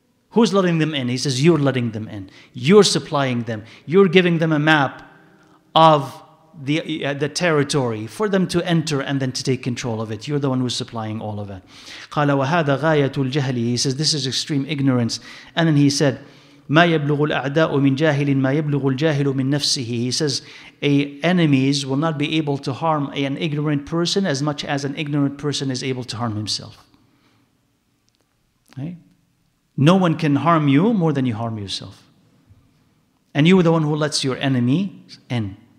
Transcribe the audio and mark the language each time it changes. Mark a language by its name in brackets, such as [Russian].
[English] Who's letting them in? He says, you're letting them in. You're supplying them. You're giving them a map of the territory for them to enter and then to take control of it. You're the one who's supplying all of it. [Arabic] قَالَ وَهَذَا غَايَةُ الْجَهْلِ. [English] He says, this is extreme ignorance. And then he said, [Arabic] مَا يَبْلُغُ الْأَعْدَاءُ مِنْ جَاهِلٍ مَا يَبْلُغُ الْجَاهِلُ مِنْ نَفْسِهِ. [English] He says, enemies will not be able to harm an ignorant person as much as an ignorant person is able to harm himself. Right? No one can harm you more than you harm yourself. And you are the one who lets your enemy in.